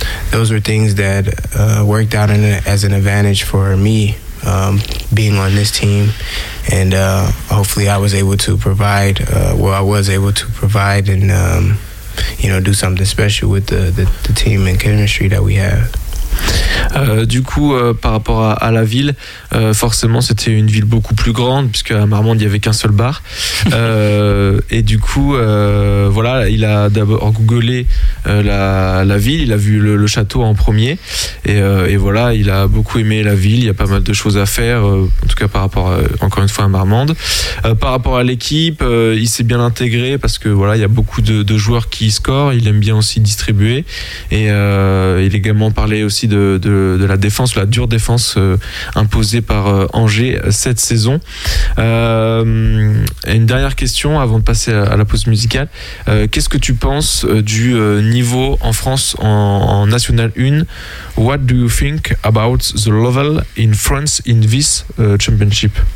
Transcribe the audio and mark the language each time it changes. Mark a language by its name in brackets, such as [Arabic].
[English] Those were things that worked out as an advantage for me being on this team. And hopefully I was able to provide, and, you know, do something special with the team and chemistry that we have. [French] Du coup, par rapport à la ville, forcément, c'était une ville beaucoup plus grande, puisque à Marmande, il n'y avait qu'un seul bar. et du coup, voilà, il a d'abord googlé la ville, il a vu le château en premier, et voilà, il a beaucoup aimé la ville, il y a pas mal de choses à faire, en tout cas par rapport, encore une fois, à Marmande. Par rapport à l'équipe, il s'est bien intégré, parce que voilà, il y a beaucoup de joueurs qui scorent, il aime bien aussi distribuer, et il a également parlé aussi de la défense, la dure défense imposée par Angers cette saison. Et une dernière question avant de passer à la pause musicale. Qu'est-ce que tu penses du niveau en France en National 1? [English] What do you think about the level in France in this championship?